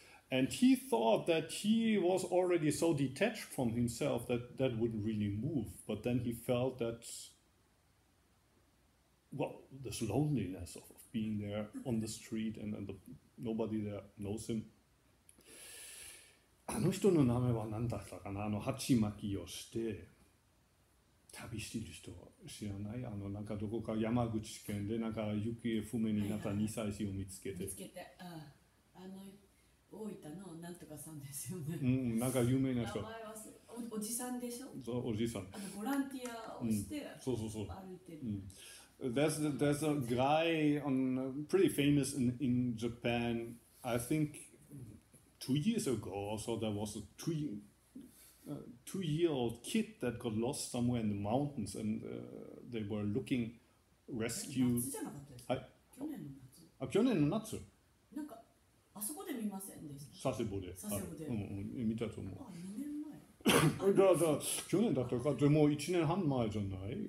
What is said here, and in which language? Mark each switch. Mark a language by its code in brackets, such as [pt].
[en] And he thought that he was already so detached from himself that wouldn't really move. But then he felt that, well, this loneliness of being there on the street and the, nobody there knows him. [ja] あの人の名前は何だったかな？あの鉢巻きをして旅してる人知らない？あのなんかどこか山口県でなんか行方不明になった2歳児を見つけて。見つけて、あの大分のなんとかさんですよね。なんか有名な人。名前はおじさんでしょ。そう、おじさん。あのボランティアをして、そう歩いてる。 [en] There's a guy on pretty famous in Japan. I think 2 years ago or so, there was a two-year-old kid that got lost somewhere in the mountains, and they were looking rescue. [ja] 夏じゃなかったですか？去年の夏。あ、去年の夏。なんか。あそこで見ませんでした。佐世保で、はい、見たと思う。あ、2年前。だから去年だったか、でも1年半前じゃない。